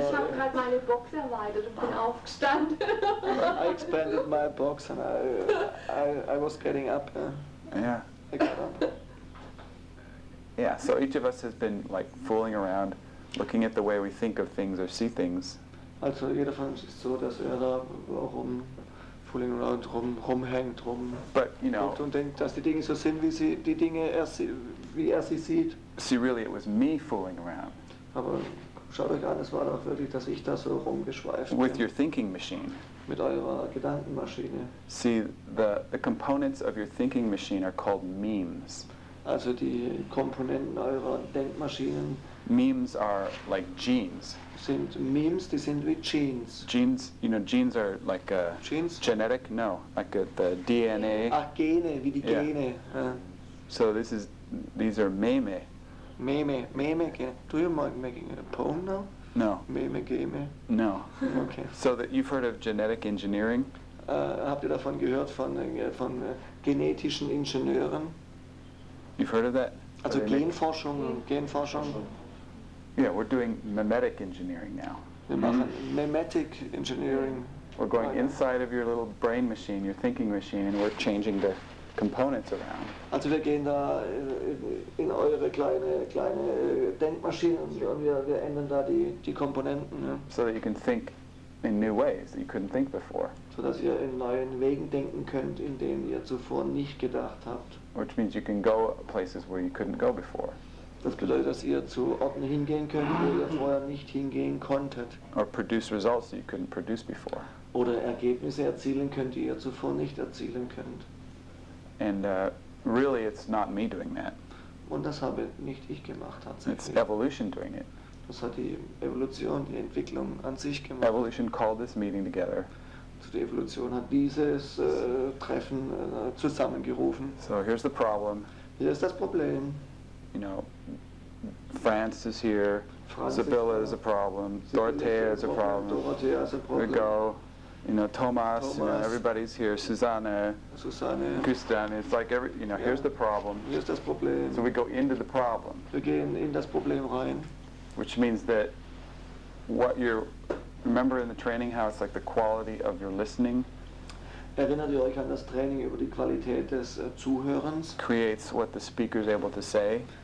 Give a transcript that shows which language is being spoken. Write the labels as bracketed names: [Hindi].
[German] Ich habe gerade meine Box erweitert und bin aufgestanden. [English] I expanded my box and I was getting up. Yeah. I got up. Yeah, so each of us has been like fooling around, looking at the way we think of things or see things. [German] Also jeder von uns ist so, dass er da warum [English] fooling around [German] rumhängt, und denkt, dass die Dinge so sind, wie sie die Dinge wie er sie sieht. [English] See, really, it was me fooling around. [German] Aber schaut euch an, es war doch wirklich, dass ich da so rumgeschweift bin. [English] With your thinking machine. [German] Mit eurer Gedankenmaschine. [English] See, the components of your thinking machine are called memes. [German] Also die Komponenten eurer Denkmaschinen. [English] Memes are like genes. [German] Sind memes, die sind wie genes. [English] Genes, you know, genes are like a genes? Genetic, no, like the DNA. [German] Ah, Gene, wie die Gene. [English] Yeah. So these are meme. Meme, Gene. Do you mind making a poem now? No. Meme, Gene. No. Okay. So that you've heard of genetic engineering? [German] Habt ihr davon gehört, von genetischen Ingenieuren? [English] You've heard of that? [German] Also Genforschung. [English] Yeah, we're doing memetic engineering now. [German] Wir machen [English] memetic engineering. We're going inside of your little brain machine, your thinking machine, and we're changing the components around. [German] Also wir gehen da in eure kleine Denkmaschine und wir ändern da die Komponenten. Ja. [English] So that you can think in new ways that you couldn't think before. [German] So dass ihr in neuen Wegen denken könnt, in denen ihr zuvor nicht gedacht habt. [English] Which means you can go places where you couldn't go before. [German] Das bedeutet, dass ihr zu Orten hingehen könnt, wo ihr vorher nicht hingehen konntet. [English] Or produce results that you couldn't produce before. [German] Oder Ergebnisse erzielen könnt, die ihr zuvor nicht erzielen könnt. [English] And really it's not me doing that. [German] Und das habe nicht ich gemacht, tatsächlich. [English] It's evolution doing it. [German] Das hat die Evolution, die Entwicklung an sich gemacht. [English] Evolution called this meeting together. [German] Also die Evolution hat dieses Treffen zusammengerufen. [English] So here's the problem. [German] Hier ist das Problem. [English] You know, France is here, Sibylla is a problem, Dorothea is a problem, we go, you know, Thomas, you know, everybody's here, Susanne, Christiane, it's like every, you know, here's the problem. [German] Hier ist das Problem. [English] So we go into the problem. [German] Wir gehen in das Problem rein. [English] Which means that what you're, remember in the training how it's like the quality of your listening? [German] Erinnert ihr euch an das Training über die Qualität des Zuhörens? [English] Creates what the speaker is able to say.